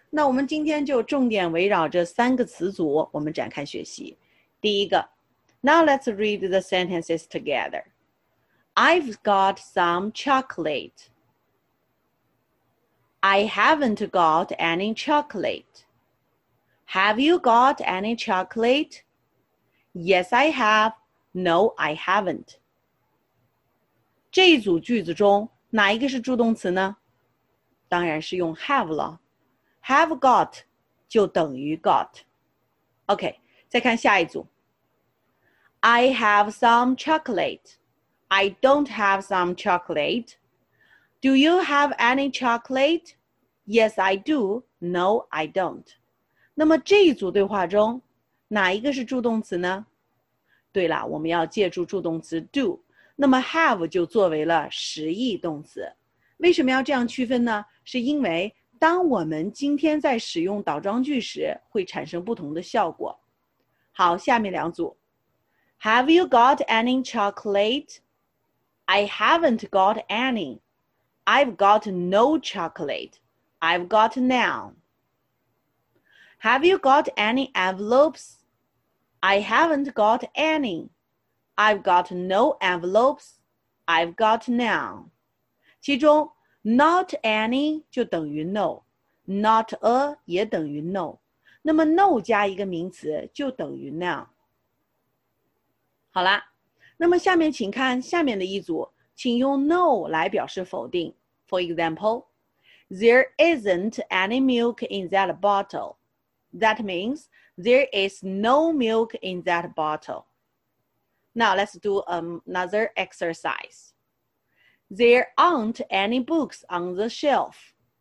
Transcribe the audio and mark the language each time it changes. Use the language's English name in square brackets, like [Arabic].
[Chinese] 那我们今天就重点围绕这三个词组我们展开学习。第一个 [English] Now let's read the sentences together. I've got some chocolate. I haven't got any chocolate. Have you got any chocolate? Yes, I have. No, I haven't. [Chinese] 这一组句子中哪一个是助动词呢？当然是用 have 了。 [English] Have got [Chinese] 就等于 [English] got. OK, [Chinese] 再看下一组。 [English] I have some chocolate. I don't have some chocolate. Do you have any chocolate? Yes, I do. No, I don't. [Chinese] 那么这一组对话中哪一个是助动词呢？对了，我们要借助助动词 do. 那么 have 就作为了实义动词。为什么要这样区分呢？是因为当我们今天在使用倒装句时会产生不同的效果。好，下面两组。 [English] Have you got any chocolate? I haven't got any. I've got no chocolate. I've got none. Have you got any envelopes? I haven't got any. I've got no envelopes. I've got none. [Chinese] 其中Not any 就等于 no, not a 也等于 no. 那么 no 加一个名词就等于 none. 好啦，那么下面请看下面的一组，请用 no 来表示否定。 [English] For example, there isn't any milk in that bottle. That means there is no milk in that bottle. Now let's do another exercise. There aren't any books on the shelf.